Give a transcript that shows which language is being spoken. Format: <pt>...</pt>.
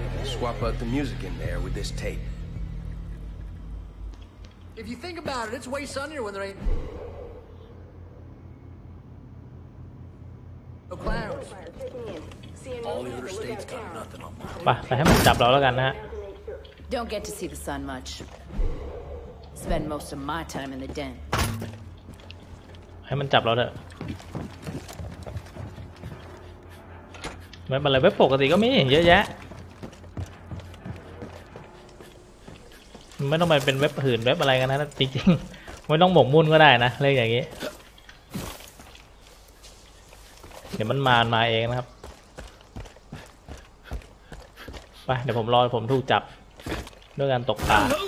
<en>Swap out the music in there with this tape. If you think about it, it's way sunnier when there ain't no clouds. All the other states got nothing on my way.</en> <th>ไปให้มันจับเราแล้วกันนะฮะ</th> <en>Don't get to see the sun much. Spend most of my time in the den.</en> <th>ให้มันจับเราเถอะไม่เป็นไรเว็บปกติก็มีเยอะแยะ ไม่ต้องไปเป็นเว็บหื่นเว็บอะไรกันนะจริงๆไม่ต้องหมกมุ่นก็ได้นะเรื่องอย่างนี้เดี๋ยวมันมามาเองนะครับไปเดี๋ยวผมรอผมถูกจับด้วยการตกปลา</th>